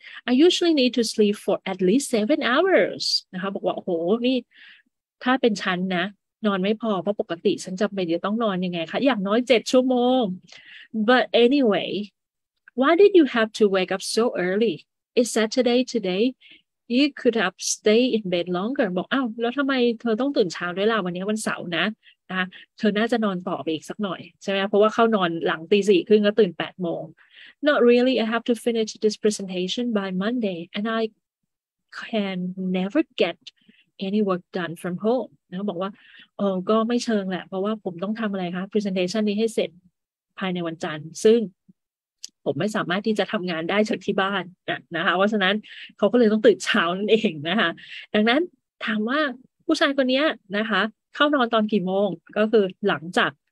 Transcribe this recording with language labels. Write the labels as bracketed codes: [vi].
[en] I usually need to sleep for at least 7 hours. [th] นะคะบอกว่าโอ้โหนี่ถ้าเป็นฉันนะนอนไม่พอเพราะปกติฉันจำเป็นจะต้องนอนยังไงคะอย่างน้อย7 ชั่วโมง [en] But anyway, why did you have to wake up so early? It's Saturday today. You could have stayed in bed longer. [th] บอกอ้าวแล้วทำไมเธอต้องตื่นเช้าด้วยล่ะวันนี้วันเสาร์นะนะเธอน่าจะนอนต่อไปอีกสักหน่อยใช่ไหมเพราะว่าเข้านอนหลังตีสี่ครึ่งก็ตื่น8 โมง [en] Not really. I have to finish this presentation by Monday, and I can never get any work done from home. [th] นะบอกว่าก็ไม่เชิงแหละเพราะว่าผมต้องทำอะไรคะ presentation นี้ให้เสร็จภายในวันจันทร์ซึ่งผมไม่สามารถที่จะทำงานได้จากที่บ้านนะคะเพราะฉะนั้นเขาก็เลยต้องตื่นเช้านั่นเองนะคะดังนั้นถามว่าผู้ชายคนนี้นะคะเข้านอนตอนกี่โมงก็คือหลังจาก